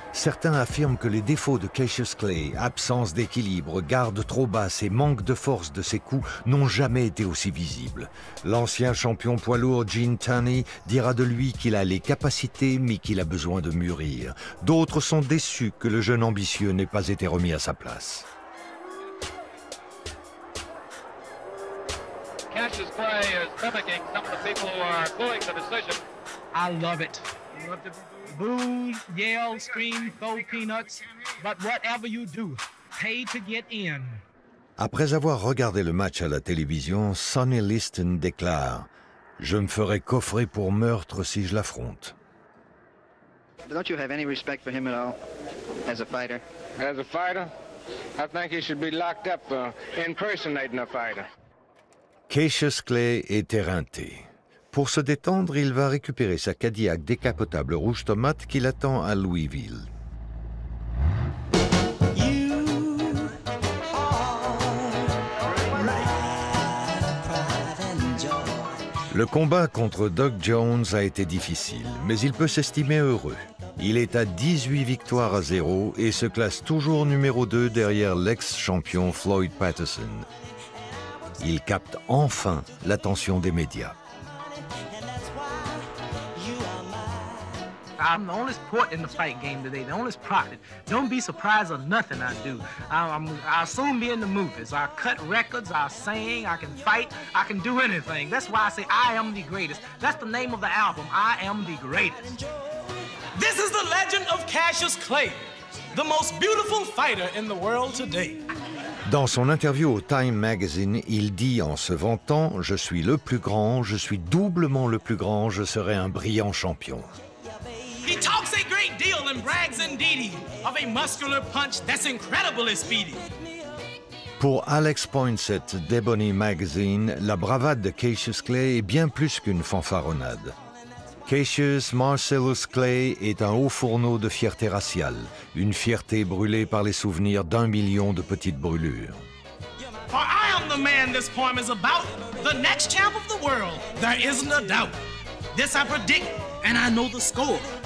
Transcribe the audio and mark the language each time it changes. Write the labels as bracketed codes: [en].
[fr] Certains affirment que les défauts de Cassius Clay, absence d'équilibre, garde trop basse et manque de force de ses coups, n'ont jamais été aussi visibles. L'ancien champion poids lourd Gene Tunney dira de lui qu'il a les capacités, mais qu'il a besoin de mûrir. D'autres sont déçus que le jeune ambitieux n'ait pas été remis à sa place. [en] Cassius Clay is mimicking some of the people who are booing the decision. I love it. Boo, yell, scream, throw peanuts, but whatever you do, pay to get in. [fr] Après avoir regardé le match à la télévision, Sonny Liston déclare « Je me ferai coffrer pour meurtre si je l'affronte. » [en] Don't you have any respect for him at all, as a fighter? As a fighter? I think he should be locked up for impersonating a fighter. [fr] Cassius Clay est éreinté. Pour se détendre, il va récupérer sa Cadillac décapotable rouge tomate qui l'attend à Louisville. Le combat contre Doug Jones a été difficile, mais il peut s'estimer heureux. Il est à 18 victoires à 0 et se classe toujours numéro 2 derrière l'ex-champion Floyd Patterson. Il capte enfin l'attention des médias. [en] I'm the only sport in the fight game today, the only product. Don't be surprised or nothing I do. I'll soon be in the movies. I'll cut records, I'll sing, I can fight, I can do anything. That's why I say I am the greatest. That's the name of the album, I am the greatest. This is the legend of Cassius Clay, the most beautiful fighter in the world today. [fr] Dans son interview au Time Magazine, il dit en se vantant, je suis le plus grand, je suis doublement le plus grand, je serai un brillant champion. [en] He talks a great deal and brags indeed of a muscular punch that's incredibly speedy. [fr] Pour Alex Poinsett d'Ebony Magazine, la bravade de Cassius Clay est bien plus qu'une fanfaronnade. Cassius Marcellus Clay est un haut fourneau de fierté raciale, une fierté brûlée par les souvenirs d'un million de petites brûlures. [en] For I am the man this poem is about, the next champ of the world, there isn't a doubt. This I predict and I know the score.